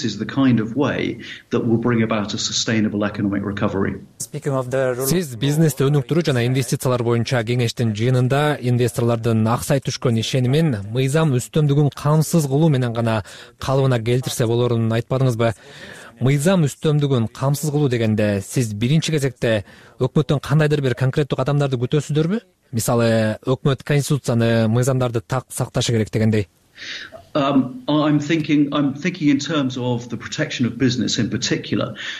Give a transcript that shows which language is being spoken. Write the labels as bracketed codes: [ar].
[en] Kind of way that will bring about a sustainable economic recovery. Speaking of [ky] the Сиз бизнести өнүктүрүү жана инвестициялар боюнча кеңештин жыйынында инвесторлордун аксай түшкөн ишенимин мыйзам үстөмдүгүн камсыз кылуу менен гана калыбына келтирсе болорун айтпадыңызбы? мыйзам үстөмдүгүн камсыз кылуу дегенде сиз биринчи кезекте өкмөттөн кандайдыр бир конкреттүү кадамдарды күтөсүздөрбү? Мисалы, өкмөт конституцияны, мыйзамдарды так сакташы керек дегендей. [en] I'm thinking in terms of the protection of business in particular.